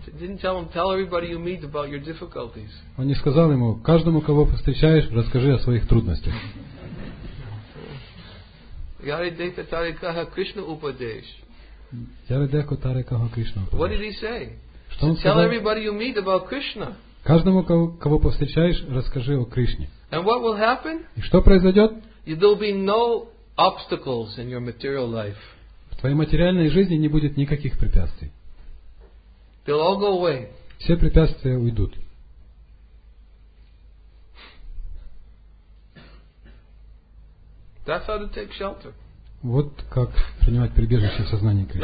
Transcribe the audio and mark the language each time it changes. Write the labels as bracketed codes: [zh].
[en] He didn't tell him, tell everybody you meet about your difficulties. [ru] Он не сказал ему, каждому, кого встречаешь, расскажи о своих трудностях. [bn] Yaridekha Tarikaha Krishna Upadesh. [en] What did he say? So tell everybody you meet about Krishna. [ru] Каждому, кого повстречаешь, расскажи о Кришне. [en] And what will happen? [ru] И что произойдет? [en] There will be no obstacles in your material life. [ru] В твоей материальной жизни не будет никаких препятствий. [en] They'll all go away. [ru] Все препятствия уйдут. [en] That's how to take shelter. [ru] Вот как принимать прибежище в сознании Кришны.